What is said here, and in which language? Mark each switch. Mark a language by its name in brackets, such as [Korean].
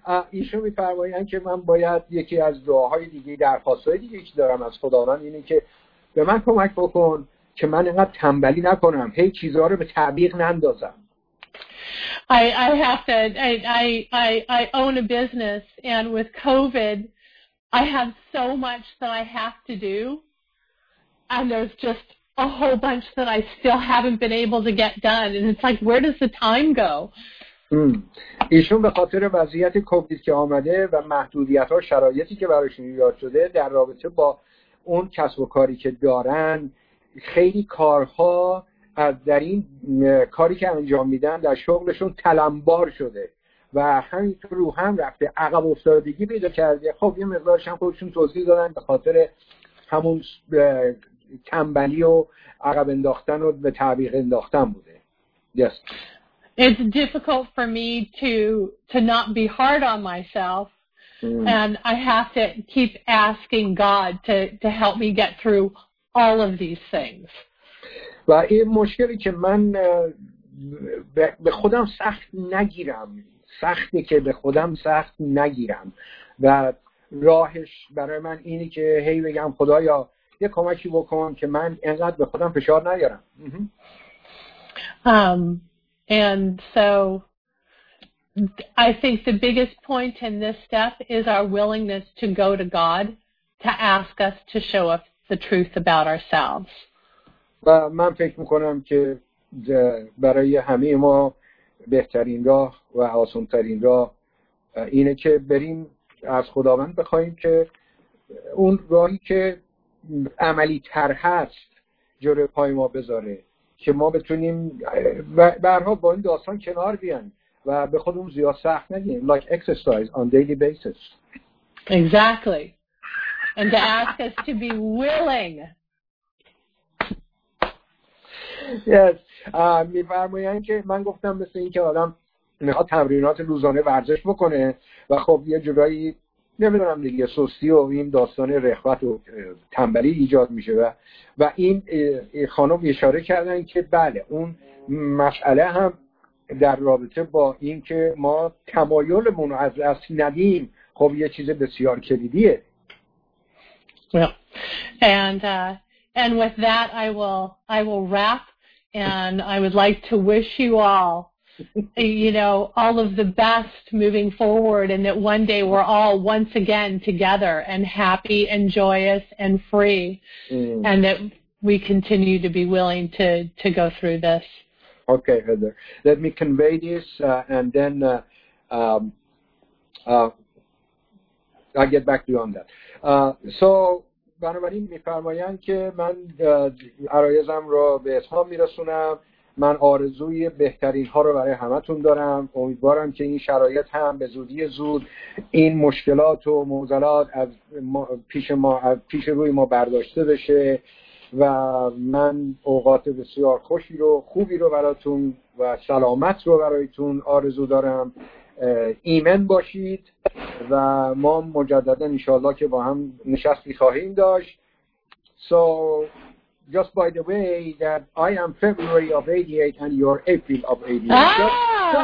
[Persian] ایشون می‌فرمایند که من باید یکی از دعاهای دیگه، درخواست‌های دیگه که دارم از خداوند اینه که به من کمک بکن که من اینقدر تنبلی نکنم، هی چیزها رو به تعویق نندازم. [English] I own a business and with COVID I have so much that I have to do and there's just a whole bunch that I still haven't been able to get done and it's like where does the time go? [Persian] ایشون به خاطر وضعیت کووید که آمده و محدودیت ها شرایطی که براشون ایجاد شده در رابطه با اون کسب و کاری که دارن، خیلی کارها در این کاری که انجام میدن در شغلشون تلمبار شده و همینطور رو هم رفته، عقب افتادگی پیدا کرده. خب یه مقدارش هم خودشون توضیح دادن به خاطر همون تنبلی و عقب انداختن و به تعویق انداختن بوده. [English] Yes. It's difficult for me to not be hard on myself and I have to keep asking God to help me get through all of these things. [Persian] و این مشکلی که من به خودم سخت نگیرم، سختی که به خودم سخت نگیرم و راهش برای من اینی که هی بگم خدایا یه کمکی بکن که من اینقدر به خودم فشار نیارم. [English] And so I think the biggest point in this step is our willingness to go to God to ask us to show us the truth about ourselves. [Persian] و من فکر میکنم که برای همه ما بهترین راه و آسان‌ترین راه اینه که بریم از خداوند بخوایم که اون راهی که عملی تر هست جلوی پای ما بذاره که ما بتونیم برها با این داستان کنار بیان و به خودمون زیاد سخت ندیم. [English] Like exercise on daily basis. Exactly. And to ask us to be willing. Yes. [Persian] میفرمایم که من گفتم مثل این که آدم میخواد تمرینات روزانه ورزش بکنه و خب یه جورایی نمیدونم دیگه سستی و این داستان رخوت و تنبلی ایجاد میشه و این خانم اشاره کردن که بله اون مسئله هم در رابطه با این که ما تمایلمون رو از دست ندیم خب یه چیز بسیار کلیدیه. [English] And with that I will wrap, and I would like to wish you all, you know, all of the best moving forward, and that one day we're all once again together and happy and joyous and free, and that we continue to be willing to go through this. Okay, Heather, let me convey this, and then I'll get back to you on that. [Persian] So بنابراین میفرمایند که من عرایزم را به اتمام میرسونم. من آرزوی بهترین ها را برای همه تون دارم. امیدوارم که این شرایط هم به زودی زود این مشکلات و معضلات از پیش ما از پیش روی ما برداشته بشه و من اوقات بسیار خوشی رو خوبی رو براتون و سلامت رو برایتون آرزو دارم. ایمن باشید و ما مجددا انشاءالله که با هم نشستی خواهیم داشت. [English] So just by the way that I am February of 88 and you're April of 88.